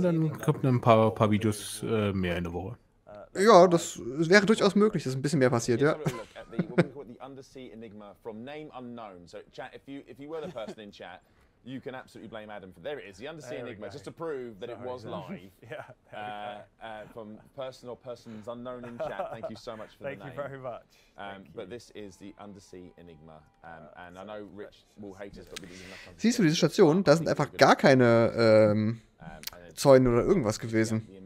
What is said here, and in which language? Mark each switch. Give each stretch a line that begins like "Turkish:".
German: Dann kommt ein paar Videos mehr in der Woche. Ja, das wäre durchaus möglich, dass ein bisschen mehr passiert, ja.
English: Undersea Enigma from Name Unknown. So, chat, if you were the person in chat, you can absolutely blame Adam for there it is, the Undersea Enigma, just to prove that it was live. Yeah, from person or persons unknown in chat. Thank you so much for thank the name. Thank you very much. But this is the Undersea Enigma, and I know Rich will hate us, but we didn't have enough.
German: Siehst du diese Station? Da sind einfach gar keine Zäune oder irgendwas gewesen.